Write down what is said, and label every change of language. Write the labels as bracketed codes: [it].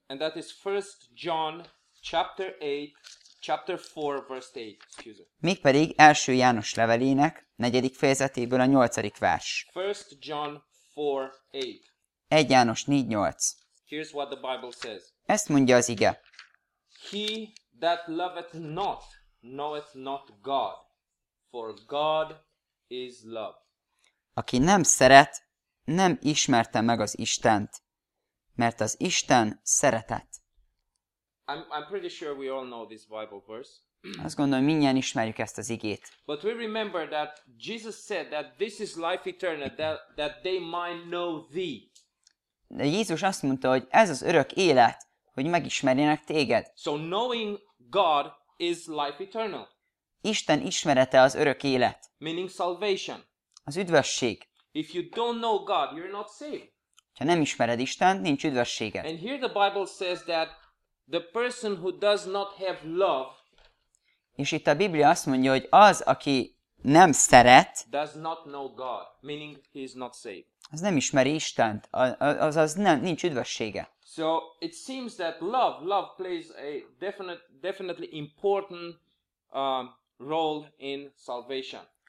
[en] And that is 1 John chapter 8, chapter 4, verse 8. Excuse me. [hu] Mégpedig első János levelének 4. fejezetéből a 8. vers. [en] 1 John 4, 8. [hu] 1 János 4, 8. [en] Here's what the Bible says. [hu] Ezt mondja az ige. [en] He that loveth not, knoweth not God, for God is love. [hu] Aki nem szeret, nem ismerte meg az Istent, mert az Isten szeretet. [en] I'm pretty sure we all know this Bible verse. [hu] Azt gondolom, mindjárt ismerjük ezt az igét. [en] But we remember that Jesus said that this is life eternal, that they might know thee. [hu] De Jézus azt mondta, hogy ez az örök élet, hogy megismerjenek téged. [en] So knowing God is life eternal. [hu] Isten ismerete az örök élet. [en] Meaning salvation. [hu] Az üdvösség. [en] If you don't know God, you're not saved. [hu] Ha nem ismered Istent, nincs üdvösséged. [en] And here the Bible says that the person who does not have love, [hu] és itt a Biblia azt mondja, hogy az, aki nem szeret, [en] does not know God, meaning he is not saved. [hu] Az nem ismeri Istent, azaz nincs üdvössége. [en] So it seems that love plays a definitely important role in salvation.